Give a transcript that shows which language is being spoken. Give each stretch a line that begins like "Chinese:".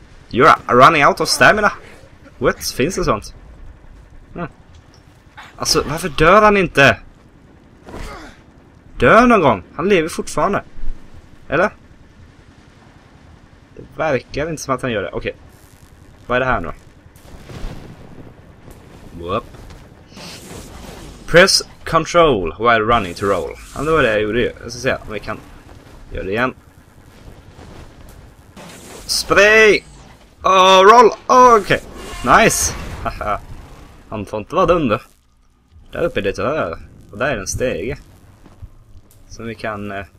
English: You're running out of stamina. What?
Swedish: Finns det sånt? Alltså, varför dör han inte? Dör någon gång? Han lever fortfarande. Eller? Det verkar inte som att han gör det. Okej. Vad är det här nu? Whoop.
English: Press control while running to roll.
Swedish: Ja, det var det jag gjorde ju. Jag ska se om vi kan göra det igen.
English: Spray! Oh, roll!
Swedish: Oh, okej.
English: Okay. Nice!
Swedish: Haha. Han får inte vara dum då. Där uppe är det där. Och där är en stege. Som vi kan...